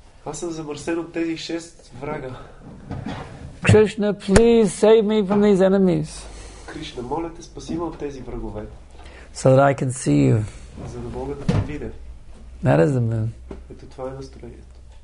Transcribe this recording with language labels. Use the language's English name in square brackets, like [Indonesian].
[Bulgarian] Аз съм замърсен от тези шест врага. [English] Krishna, please save me from these enemies. [Bulgarian] Кришна, моля те, спаси ме от тези врагове. [English] So that I can see you. [Bulgarian] За да мога да те видя. [English] That is the moon. [Bulgarian] Ето това е настроението.